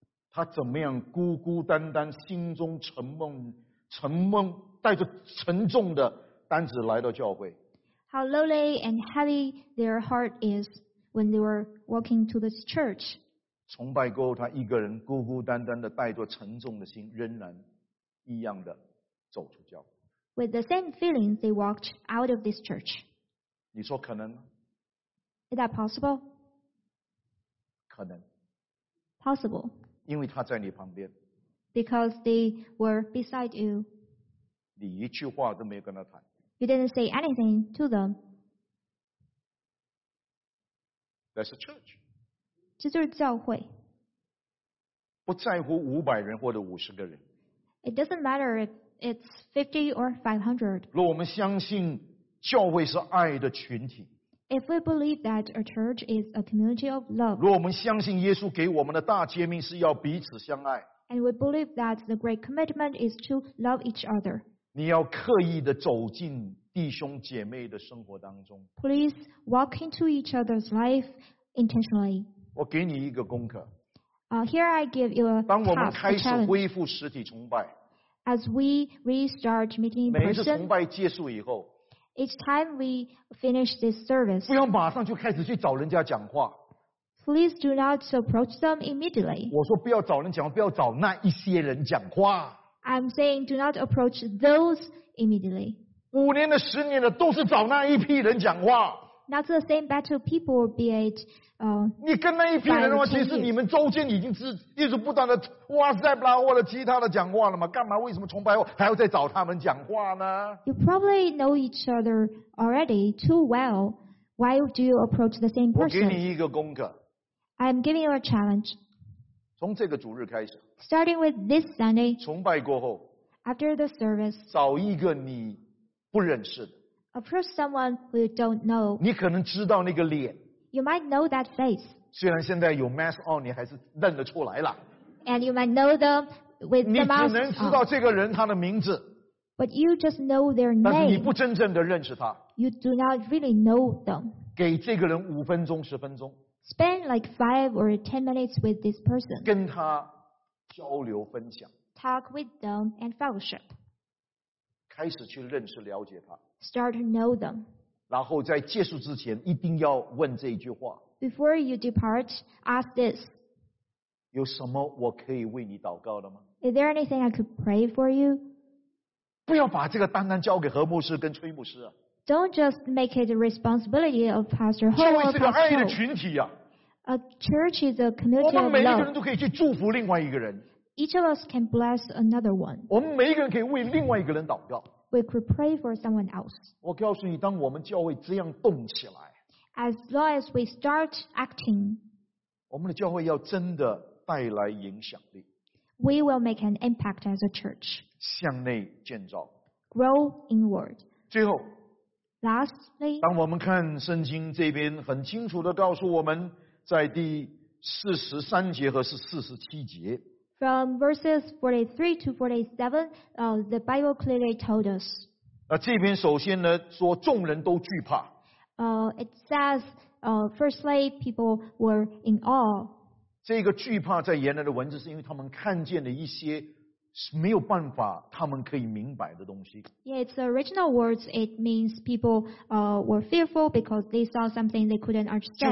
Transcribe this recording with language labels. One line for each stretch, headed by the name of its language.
Chinese: 他怎么样孤孤单单，心中沉闷，带着沉重的担子来到教会。
English: How lowly and heavy their heart is when they were walking to this church.
Chinese: 崇拜过后，他一个人孤孤单单的带着沉重的心，仍然一样的走出教会。
English: With the same feeling, they walked out of this church.
Chinese: 你说可能吗？
English: Is that possible?
Chinese: 可能。
English: Possible.
Chinese: 因为他在你旁边。
English: Because they were beside you.
Chinese: 你一句话都没有跟他谈。
English: You didn't say anything to them. That's a church.
Chinese: 这就是教会。不在乎500人或者50个人。
English: It doesn't matter if it's 50 or 500.
Chinese: 如果我们相信教会是爱的群体。
English: If we believe that a church is a community of love.
Chinese: 如果我们相信耶稣给我们的大诫命是要彼此相爱。
English: And we believe that the great commitment is to love each other.
Chinese: 你要刻意的走进弟兄姐妹的生活当中。
English: Please walk into each other's life intentionally.
Chinese: 我给你一个功课。
English: Here I give you a task,
Chinese: 当我们开始恢复实体崇拜。
English: As we restart meeting in person,
Chinese: 每次崇拜结束以后，
English: each time we finish this service,
Chinese: 不要马上就开始去找人家讲话。
English: Please do not approach them immediately.
Chinese: 我说不要找人讲话，不要找那一些人讲话。
English: I'm saying do not approach those immediately.
Chinese: 五年的、十年的都是找那一批人讲话。
English: Not the same battle people, be it.
Chinese: 你跟那一批人的话，其实你们周间已经是一直不断的哇塞啦或者其他的讲话了嘛？干嘛？为什么崇拜后还要再找他们讲话呢
English: ？You probably know each other already too well. Why do you approach the same person?
Chinese: 我给你一个功课。
English: I'm giving you a challenge.
Chinese: 从这个主日开始。
English: Starting with this Sunday.
Chinese: 崇拜过后。
English: After the service.
Chinese: 找一个你不认识的。
English: Approach someone who you don't know.
Chinese: 你可能知道那个脸。
English: You might know that face.
Chinese: 虽然现在有
English: mask on,
Chinese: 你还是认得出来了。
English: And you might know them with the mask on.
Chinese: 你只能知道这个人他的名字。
English: But you just know their name.
Chinese: 但是你不真正的认识他。
English: You do not really know them.
Chinese: 给这个人5分钟、10分钟。
English: Spend like 5 or 10 minutes with this person.
Chinese: 跟他交流分享。
English: Talk with them and fellowship.
Chinese: 开始去认识了解他。
English: Start to know them.
Chinese: 然后在结束之前一定要问这一句话。
English: Before you depart, ask this.
Chinese: 有什么我可以为你祷告的吗？
English: Is there anything I could pray for you?
Chinese: 不要把这个单单交给何牧师跟崔牧师啊。
English: Don't just make it the responsibility of Pastor Ho.
Chinese: 教会是个爱的群体啊。
English: A church is a community of love.
Chinese: 我们每一个人都可以去祝福另外一个人。
English: Each of us can bless another one.
Chinese: 我们每一个人可以为另外一个人祷告。
English: We could pray for someone else.
Chinese: 我告诉你，当我们教会这样动起来，
English: as long as we start acting,
Chinese: 我们的教会要真的带来影响力。
English: We will make an impact as a church.
Chinese: 向内建造。
English: Grow inward.
Chinese: 最后，
English: lastly,
Chinese: 当我们看圣经这边很清楚地告诉我们，在第43节和是47节。
English: From verses 43 to 47, the Bible clearly told us.
Chinese: 那这边首先呢，说众人都惧怕。
English: It says, firstly, people were in awe.
Chinese: 这个惧怕在原来的文字是因为他们看见了一些没有办法他们可以明白的东西。
English: Yeah, it's original words. It means people, were fearful because they saw something they couldn't understand.